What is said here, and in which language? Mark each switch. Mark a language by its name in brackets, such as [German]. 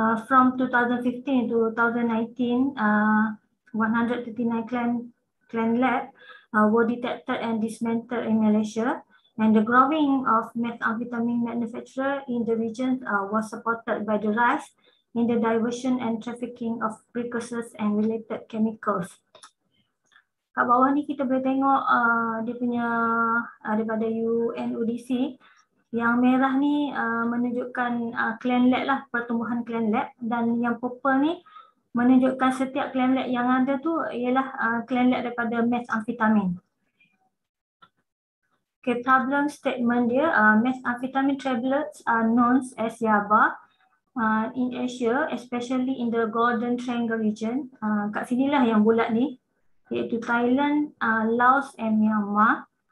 [English] From 2015 to 2019, 139 clan lab were detected and dismantled in Malaysia. And the growing of methamphetamine manufacturer in the region was supported by the rise in the diversion and trafficking of precursors and related chemicals. [Malay] Kat bawah ni kita boleh tengok dia punya daripada UNODC yang merah ni menunjukkan clan lab lah, pertumbuhan clan lab, dan yang purple ni menunjukkan setiap clan lab yang ada tu ialah clan lab daripada methamphetamine. [English] Okay, problem statement dia, methamphetamine tablets are known as YABA In Asia, especially in the Golden Triangle region, [Malay] kat sinilah yang bulat ni, iaitu [English] Thailand, Laos and Myanmar.